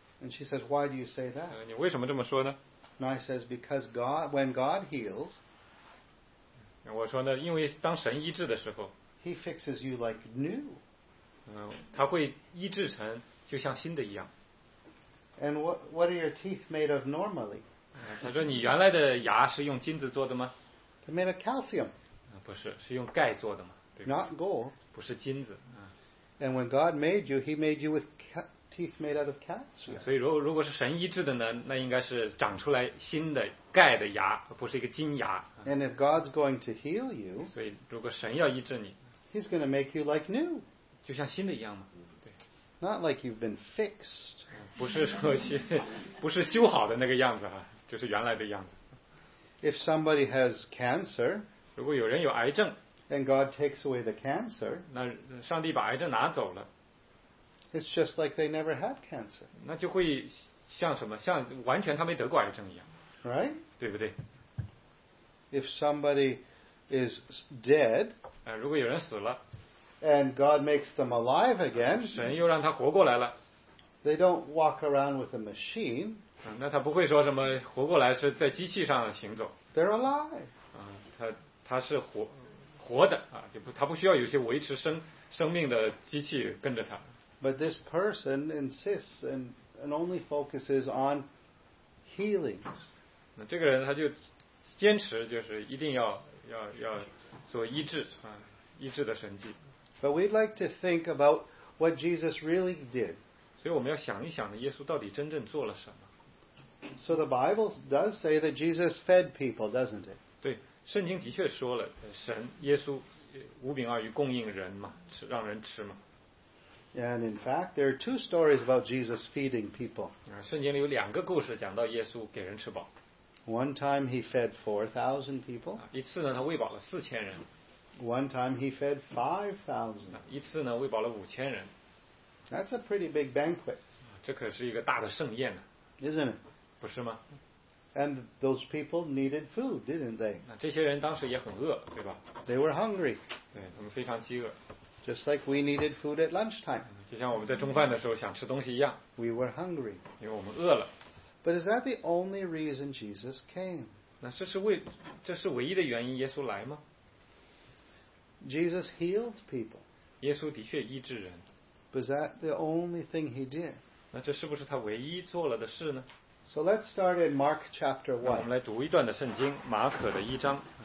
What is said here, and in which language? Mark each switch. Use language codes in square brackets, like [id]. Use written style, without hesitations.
[en] And she says, why do you say that? [zh] 你为什么这么说呢？ [en] And I says, because God, when God heals, [zh] 我说呢，因为当神医治的时候， [en] He fixes you like new. [zh] 他会医治成就像新的一样。 [en] And what are your teeth made of normally? [zh] 他说你原来的牙是用金子做的吗？ [en] They're made of calcium. [zh] 不是，是用钙做的吗？ [en] Not gold. [zh] 不是金子。 [en] And when God made you, He made you with teeth made out of cats. [zh] 所以如果是神医治的呢，那应该是长出来新的钙的牙，不是一个金牙。 [en] And if God's going to heal you, [zh] 所以如果神要医治你， [en] He's going to make you like new. [zh] 就像新的一样嘛。对。 [en] Not like you've been fixed. [zh] 不是修好的那个样子啊，就是原来的样子。 [en] If somebody has cancer, [zh] 如果有人有癌症。 [en] And God takes away the cancer. [zh] 那上帝把癌症拿走了。 [en] It's just like they never had cancer. [zh] 那就会像什么？像完全他没得过癌症一样。 [en] Right? [zh] 对不对 [en] ？If somebody is dead. [zh] 如果有人死了。 [en] And God makes them alive again. [zh] 神又让他活过来了。 [en] They don't walk around with a machine. [zh] 那他不会说什么活过来是在机器上行走。 [en] They're alive. [zh] 他是活。活的啊，就不，他不需要有些维持生命的机器跟着他。 [en] But this person insists and only focuses on healings. [zh] 那这个人他就坚持，就是一定要做医治啊，医治的神迹。 [en] But we'd like to think about what Jesus really did. [zh] 所以我们要想一想呢，耶稣到底真正做了什么 [en] ？So the Bible does say that Jesus fed people, doesn't it? [zh] 对。圣经的确说了，神耶稣五饼二鱼供应人嘛，吃让人吃嘛。 [en] And in fact, there are two stories about Jesus feeding people. [zh] 圣经里有两个故事讲到耶稣给人吃饱。 [en] One time he fed 4,000 people. [zh] 一次呢，他喂饱了4,000人。 [en] One time he fed 5,000. [zh] 一次呢，喂饱了5,000人。 [en] That's a pretty big banquet. [zh] 这可是一个大的盛宴呢。 [en] Isn't it? [zh] 不是吗？ [en] And those people needed food, didn't they? [zh] 那这些人当时也很饿，对吧？ [en] They were hungry. [zh] 对，他们非常饥饿。 [en] Just like we needed food at lunchtime. [zh] 就像我们在中饭的时候想吃东西一样。 [en] We were hungry. [zh] 因为我们饿了。 [en] But is that the only reason Jesus came? [zh] 那这是唯一的原因耶稣来吗？ [en] Jesus healed people. [zh] 耶稣的确医治人。 [en] But is that the only thing he did? [zh] 那这是不是他唯一做了的事呢？ [en] So let's start in Mark chapter 1. [zh] 我们来读一段的圣经，马可的一章。